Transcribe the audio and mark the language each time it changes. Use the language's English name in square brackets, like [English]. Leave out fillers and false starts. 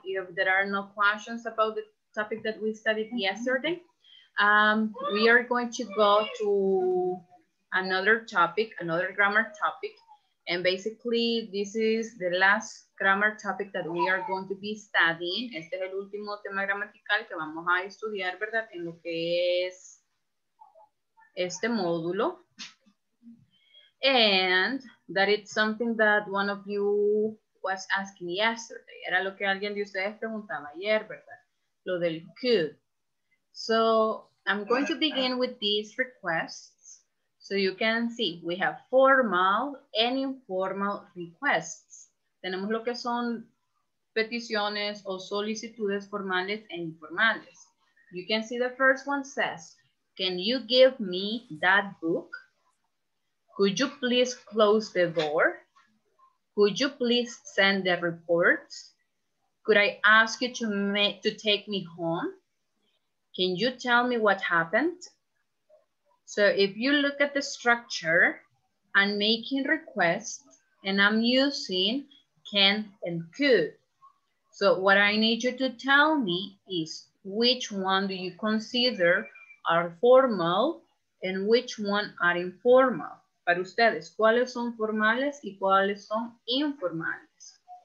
[English] If there are no questions about the topic that we studied yesterday, we are going to go to another topic, another grammar topic. And basically, this is the last grammar topic that we are going to be studying. [Spanish] Este es el último tema gramatical que vamos a estudiar, ¿verdad? En lo que es este módulo. [English] And that is something that one of you was asking yesterday. [Spanish] Era lo que alguien de ustedes preguntaba ayer, ¿verdad? Lo del could. [English] So I'm going to begin with these requests. So you can see we have formal and informal requests. [Spanish] Tenemos lo que son peticiones o solicitudes formales e informales. [English] You can see the first one says, can you give me that book? Could you please close the door? Could you please send the reports? Could I ask you to take me home? Can you tell me what happened? So if you look at the structure, I'm making requests and I'm using can and could. So what I need you to tell me is which one do you consider are formal and which one are informal. [Spanish] Para ustedes, ¿cuáles son formales y cuáles son informales?